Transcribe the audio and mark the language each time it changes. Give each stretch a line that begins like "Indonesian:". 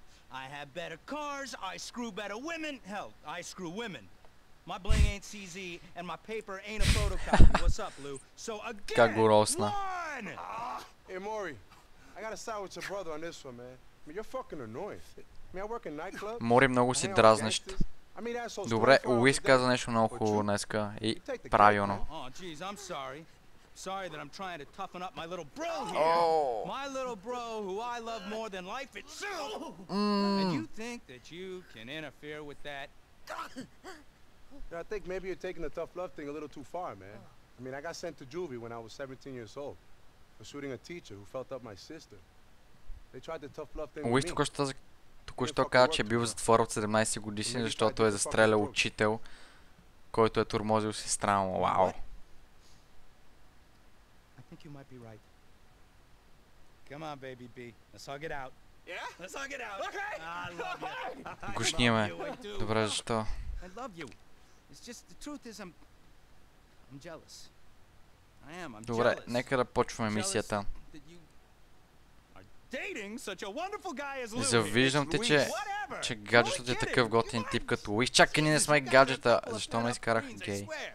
English: I have better cars, I screw better women. Hell, I screw women. My bling ain't CZ and my paper ain't a photocopy. What's up, Lou? So again. One! Hey, Maury. I got to side with your brother on this one, man. I mean, you're fucking annoying. I mean, I work in nightclub.
Bulgarian: Maury, много си дразнещ. Добре, Уис каза нещо много хубаво днеска и правилно.
English: Oh, jeez, I'm sorry. Sorry that I'm trying to toughen up my little bro here. Oh. My little bro who I love more than life itself. And you think that you can interfere with that? I think maybe you're taking the tough love thing a little too far, man. I mean, I got sent to juvie when I was 17 years old for shooting a teacher who felt up my sister. They tried the tough love thing with me.
Bulgarian: Току-що каза, че е бил в затвора от 17 години, защото е застрелял учител, който е тормозил сестра му. Вау.
English: You might be right. Come on, baby B. Let's all get out. Yeah? Let's all get out. Okay. I love you.
Bulgarian: Гушния ме. Добре, защо?
English: I love you. It's just the truth is I'm jealous. I am. I'm jealous.
Bulgarian: Добре, нека да почваме мисията.
English: Dating such a wonderful guy as Louis.
Bulgarian: Завиждам те, че гаджетът е такъв готин тип като Louis. Чакай, ние не сме гаджета. Защо ме изкарах гей?